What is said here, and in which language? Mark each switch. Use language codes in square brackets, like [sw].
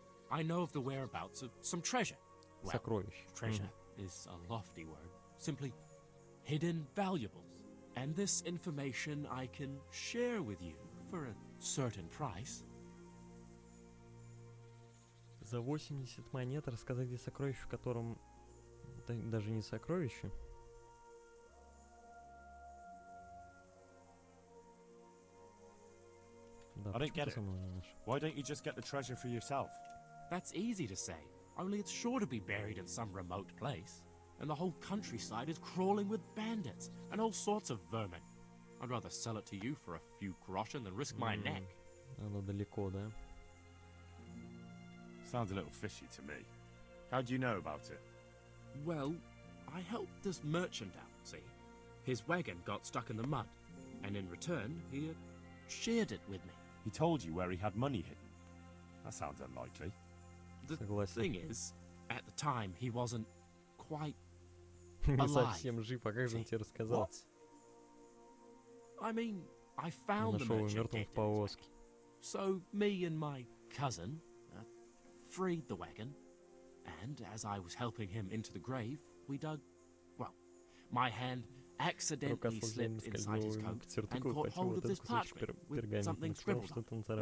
[en] I know of the whereabouts of some treasure. [ru] Well, сокровищ. [en] Treasure is a lofty word. Simply hidden valuables. And this information I can share with you for a certain price. [ru] За 80 монет рассказать, где сокровище, в котором... Даже не сокровище. Да, [en] I don't get it. Why don't you just get the treasure for yourself? That's easy to say, only it's sure to be buried in some remote place. And the whole countryside is crawling with bandits and all sorts of vermin. I'd rather sell it to you for a few groschen than risk my neck. [ru] Оно далеко, да? [en] Sounds a little fishy to me. How do you know about it? Well, I helped this merchant out, see? His wagon got stuck in the mud, and in return, he had shared it with me. He told you where he had money hidden. That sounds unlikely. The thing is, at the time, he wasn't quite [ru] Не совсем жив, а как же он тебе рассказал? [en] I mean, I found [ru] нашел его мертвым в повозке. [en] So me and my cousin freed the wagon, and as I was helping him into the grave, we dug. Well, my hand accidentally slipped inside his coat and caught hold of this parchment with something scribbled on it.